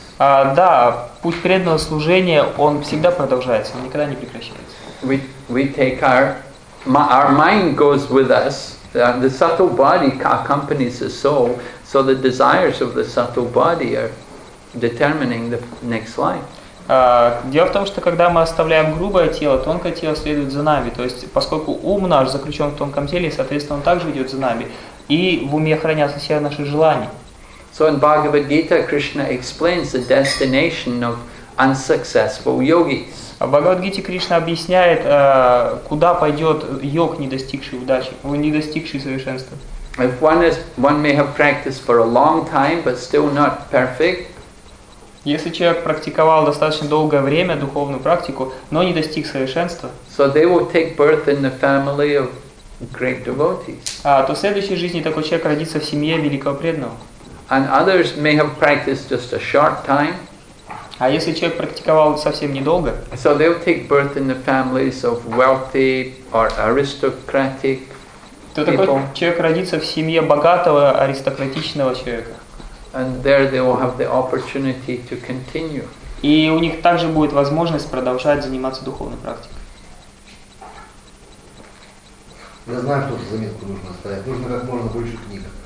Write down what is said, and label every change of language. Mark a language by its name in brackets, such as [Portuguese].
[Russian] Да, путь преданного служения, он всегда продолжается, он никогда не прекращается. [English] We take our mind goes with us. The subtle body accompanies the soul, so the desires of the subtle body are determining the next life. [Russian] Дело в том, что когда мы оставляем грубое тело, тонкое тело следует за нами. То есть, поскольку ум наш заключен в тонком теле, соответственно, он также идет за нами. И в уме хранятся все наши желания. [English] So in Bhagavad Gita, Krishna explains the destination of unsuccessful yogis. [Russian] В Бхагавад Гите Кришна объясняет, куда пойдет йог, не достигший удачи, не достигший совершенства. [English] If one may have practiced for a long time, but still not perfect. [Russian] Если человек практиковал достаточно долгое время духовную практику, но не достиг совершенства, [English] so they will take birth in the family of great devotees. [Russian] То в следующей жизни такой человек родится в семье великого преданного. [English] And others may have practiced just a short time. [Russian] А если человек практиковал совсем недолго, [English] so they will take birth in the families of wealthy or aristocratic people. [Russian] То такой человек родится в семье богатого аристократичного человека. [English] And there they will have the opportunity to continue. [Russian] И у них также будет возможность продолжать заниматься духовной практикой. Я знаю, что заметку нужно оставить. Нужно как можно больше книг.